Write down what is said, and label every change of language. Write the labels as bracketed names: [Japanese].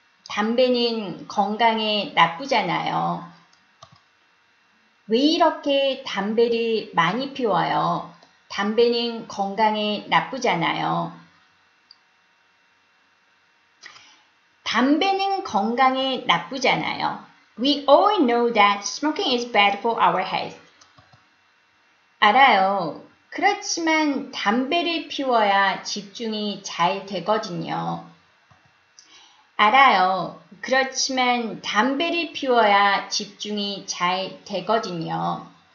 [Korean] 담배는 건강에 나쁘잖아요. 왜 이렇게 담배를 많이 피워요? 담배는 건강에 나쁘잖아요. 담배는 건강에 나쁘잖아요. [English] We all know that smoking is bad for our health. [Korean] 알아요. 그렇지만 담배를 피워야 집중이 잘 되거든요. 알아요. 그렇지만 담배를 피워야 집중이 잘 되거든요.